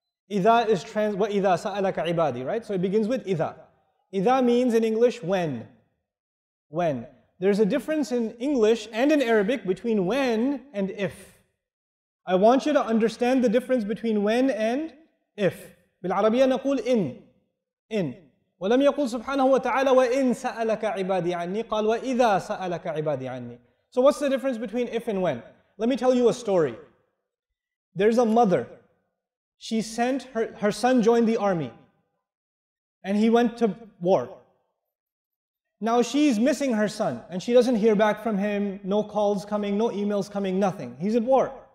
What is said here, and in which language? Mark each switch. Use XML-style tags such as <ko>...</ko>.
<en>Idha is translated,</en> <ar>وَإِذَا سَأَلَكَ عِبَادِي,</ar> <en>right? So it begins with idha. Idha means in English, when. When. There's a difference in English and in Arabic between when and if. I want you to understand the difference between when and if.</en> <ar>بالعربية نقول إن. إن. وَلَمْ يَقُلْ سُبْحَانَهُ وَتَعَالَى وَإِنْ سَأَلَكَ عِبَادِي عَنِّي قَالْ وَإِذَا سَأَلَكَ عِبَادِي عَنِّي</ar> <en>So what's the difference between if and when? Let me tell you a story. There's a mother. She sent her son joined the army. And he went to war. Now she's missing her son, and she doesn't hear back from him, no calls coming, no emails coming, nothing. He's at war.</en>